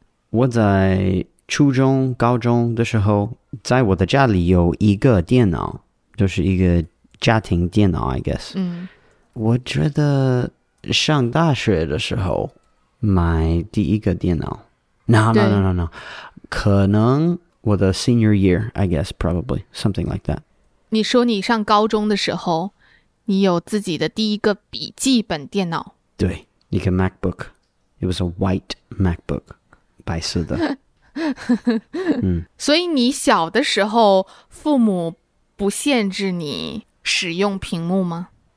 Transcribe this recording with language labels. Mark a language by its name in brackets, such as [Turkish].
[Chinese] 我在初中高中的时候在我的家里有一个电脑，就是一个家庭电脑 [English] I guess。 [Chinese] 我觉得上大学的时候买第一个电脑。 [English] No. [Chinese] 可能我的 [English] senior year, I guess, probably, something like that. [Chinese] 你说你上高中的时候你有自己的第一个笔记本电脑。对，一个 [English] MacBook。It was a white MacBook, [Chinese] 白色的。所以你小的时候父母不限制你使用屏幕吗？